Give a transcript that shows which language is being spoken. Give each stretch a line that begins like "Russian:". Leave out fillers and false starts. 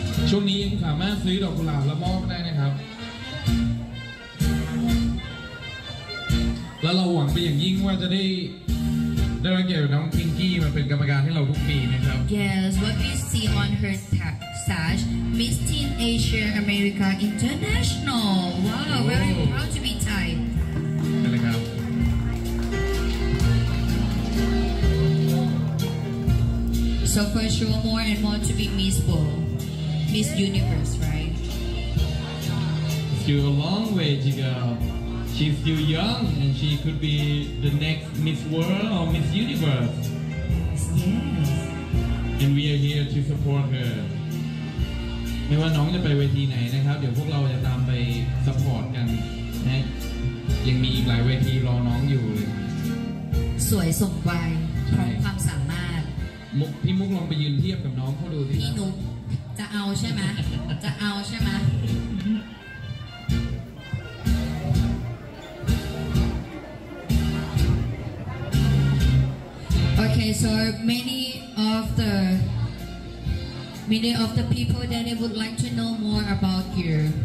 Thai: ช่วงนี้ยังสามารถซื้อดอกกุหลาบและมอบได้นะครับแล้วเราหวังไปอย่างยิ่งว่าจะได้รับเกียรติน้องพิงกี้มาเป็นกรรมการให้เราทุกปีนะครับ
English: Yes what we see on her sash Miss Teen Asia America International Wow very proud to be Thai
Thai: นั่นแหละครับ
English: So for sure more and more to be Miss World Miss Universe right Still a long way to goShe's still young, and she could be the next Miss World or Miss Universe. Yes. And we are here to support her.
Thai: ไม่ว่าน้องจะไปเวทีไหนนะครับเดี๋ยวพวกเราจะตามไปซัพพอร์ตกันนะยังมีอีกหลายเวทีรอน้องอยู่เลย สวยสมวัยพร้อมความสามารถ พี่มุกลองไปยืนเทียบกับน้องเขาดูสิ พี่นุ๊กจะเอาใช่ไหมจะเอาใช่ไหม
English: Okay, so many of the people that they would like to know more about you.